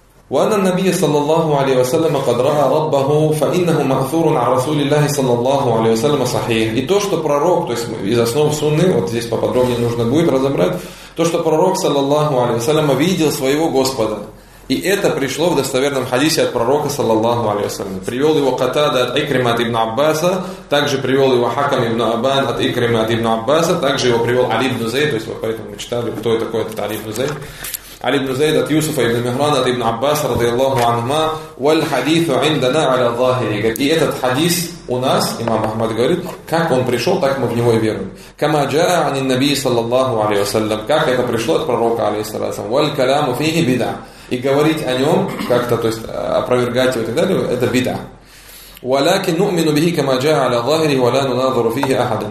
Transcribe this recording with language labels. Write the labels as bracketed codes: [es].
[ar] وأن النبي صلى الله عليه وسلم قد رأى ربه فإنه مأثور على رسول الله صلى الله عليه وسلم صحيح. [ru] И то, что пророк, то есть из основ сунны, вот здесь поподробнее нужно будет разобрать, то, что пророк, صلى الله عليه وسلم, видел своего Господа. И это пришло в достоверном хадисе от пророка, صلى الله عليه وسلم. Привел его Катада от Икрима от Ибн Аббаса, также привел его Хакам Ибн Аббан от Икрима от Ибн Аббаса, также его привел Али Ибн Зейд, то есть вот поэтому мы читали, кто это такой, этот Али Ибн Зейд. [ar] علي بن زيد [ru] от Юсуфа ибн Михрана от ибн Аббас [ar] رضي الله عنهما والحديث عندنا على ظاهره. [ru] И этот хадис у нас, имам Ахмад говорит, как он пришел, так мы в него и верим. [ar] كما جاء عن النبي صلى الله عليه وسلم, [ru] как это пришло от пророка عليه الصلاة والسلام, [ar] والكلام فيه بدعة, [ru] и говорить о нем как-то, то есть опровергать его и так далее, это بدعة. [ar] ولكن نؤمن به كما جاء على ظاهره ولا نناظر فيه أحد.